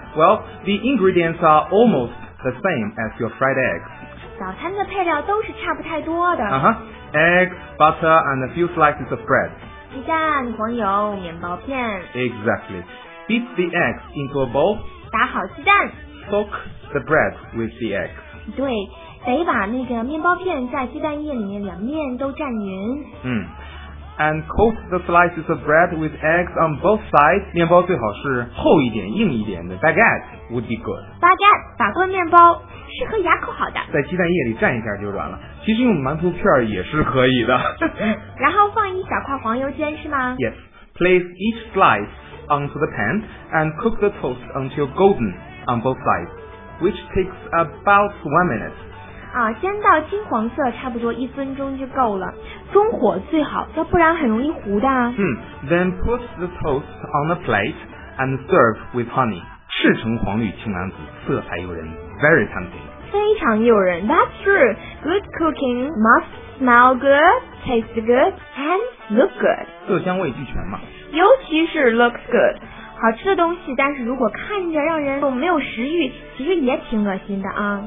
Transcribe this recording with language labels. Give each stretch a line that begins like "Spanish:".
English: Well, the ingredients are almost the same as your fried eggs.
Chinese: 早餐的配料都是差不太多的。
English: Egg, butter, and a few slices of bread.
Chinese: 鸡蛋、黄油、面包片。
English: Exactly. Beat the eggs into a bowl.
Chinese: 打好鸡蛋。
English: Soak the bread with the egg.
Chinese: 对。得把那个面包片在鸡蛋液里面两面都蘸匀。
English: And coat the slices of bread with eggs on both sides.
Chinese: 面包最好是厚一点、硬一点的
English: baguette would be good.
Chinese: Baguette 法棍面包是合牙口好的。在鸡蛋液里蘸一下就软了。其实用馒头片也是可以的。然后放一小块黄油煎是吗
English: ？Yes. Place each slice onto the pan and cook the toast until golden on both sides, which takes about 1 minute.
Chinese: 煎到金黄色差不多一分钟就够了，中火最好，要不然很容易糊的。
English: Then put the toast on a plate and serve with honey.
Chinese: 赤橙黄绿青蓝紫，色彩诱人 ，
English: very tempting.
Chinese: 非常诱人 ，
English: That's true. Good cooking must smell good, taste good, and look good.
Chinese: 色香味俱全嘛。尤其是
English: looks good.
Chinese: 好吃的东西，但是如果看着让人都没有食欲，其实也挺恶心的啊。